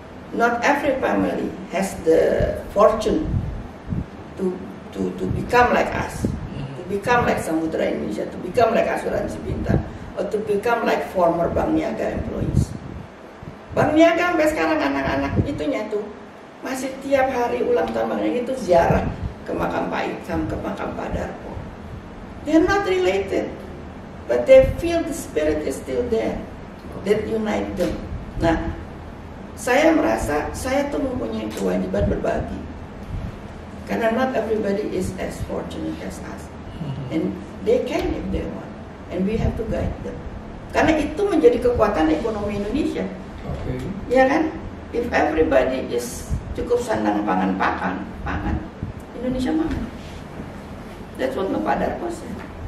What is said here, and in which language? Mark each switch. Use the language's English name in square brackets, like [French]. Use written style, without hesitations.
[English] Not every family has the fortune to become like us, to become like Samudra Indonesia, to become like Asuransi Bintang, or to become like former Bank Niaga employees. [Indonesian] Bank Niaga sampai sekarang anak-anak itunya tuh masih tiap hari ulang tahun banknya itu ziarah ke makam Pak Iksam, ke makam Pak Darpo. [English] They're not related, but they feel the spirit is still there, that unite them. [Indonesian] Nah, saya merasa saya tuh mempunyai kewajiban berbagi. Karena [English] not everybody is as fortunate as us. And they can if they want. And we have to guide them. [Indonesian] Karena itu menjadi kekuatan ekonomi Indonesia. [English] Okay. [Indonesian] Ya kan? [English] If everybody is [Indonesian] cukup sandang pangan, Indonesia makan. [English] That's what my father was saying.